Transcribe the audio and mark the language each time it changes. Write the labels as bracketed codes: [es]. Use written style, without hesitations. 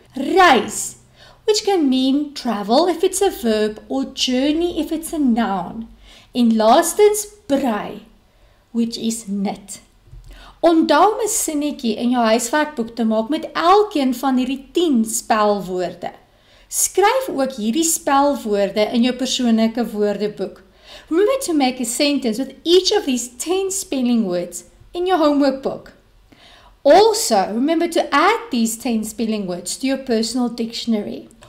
[en] Reis, which can mean travel if it's a verb or journey if it's a noun. [af] En laastens, [en] brei, which is knit. [af] Onthou om 'n sinnetjie in jou huiswerkboek te maak met elkeen van hierdie 10 spelwoorde. Skryf ook hierdie spelwoorde in jou persoonlike woordeboek. [en] Remember to make a sentence with each of these 10 spelling words in your homework book. Also, remember to add these 10 spelling words to your personal dictionary.